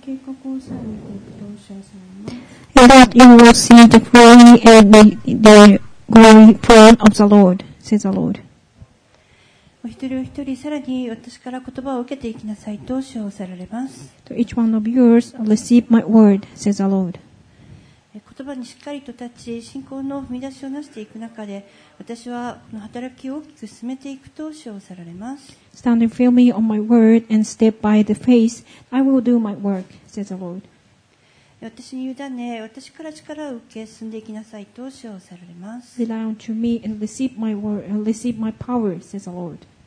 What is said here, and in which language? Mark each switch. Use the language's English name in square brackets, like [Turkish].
[English] In that you will see the glory and the glory plan of the Lord, say the Lord. [Japanese] お一人お一人さらに私から言葉を受けていきなさいと称されます。 [English] To each one of yours, receive my word, says the Lord. [Japanese] 言葉にしっかりと立ち、信仰の踏み出しを成していく中で、私はこの働きを大きく進めていくと称されます。 [English] Standing firmly on my word and step by the faith, I will do my work, says the Lord. [Japanese] 私に委ね、私から力を受け進んでいきなさいと称されます。 [English] Rely on to me and receive my word and receive my power, says the Lord.